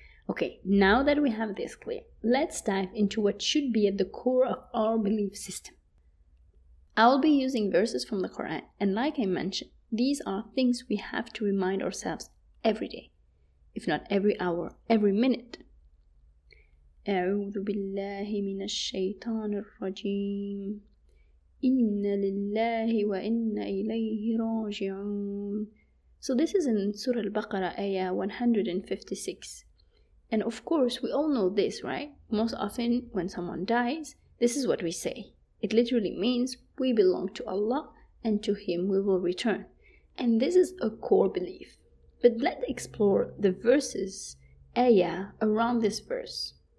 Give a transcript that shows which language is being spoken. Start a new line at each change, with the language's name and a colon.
English: Okay, now that we have this clear, let's dive into what should be at the core of our belief system. I'll be using verses from the Quran, and like I mentioned, these are things we have to remind ourselves every day, if not every hour, every minute.
Arabic: أعوذ بالله من الشيطان الرجيم إن لله وإن إليه راجعون.
English: So this is in Surah Al-Baqarah, Ayah 156. And of course, we all know this, right? Most often when someone dies, this is what we say. It literally means we belong to Allah and to Him we will return. And this is a core belief. But let's explore the verses, Ayah, around this verse.